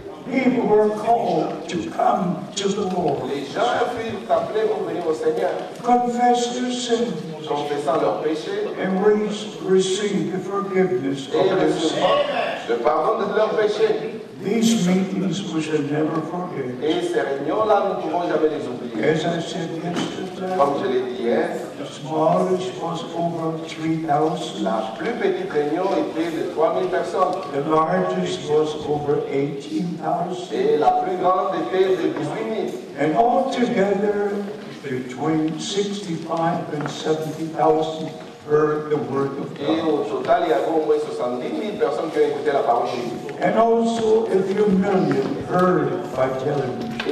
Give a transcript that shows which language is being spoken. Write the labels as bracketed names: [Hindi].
[English] People were called to come to the Lord. [French] Les gens furent appelés pour venir au Seigneur. [English] Confess their sins. [French] Confessant leurs péchés. [English] And receive the forgiveness of their sins. [French] Le pardon de leurs péchés. [English] These meetings we shall never forget. [French] Et ces réunions-là, nous ne pouvons jamais les oublier. [English] As I said yesterday, [French] comme je l'ai dit hier, [English] the smallest was over 3,000. [French] La plus petite réunion était de 3,000 personnes. [English] The largest was over 18,000. [French] Et la plus grande était de 18,000. [English] And altogether, between 65 and 70,000 heard the word of God. [French] Et au total, il y avait au moins 70,000 personnes qui ont écouté la parole de Dieu. [English] And also a few million heard by television.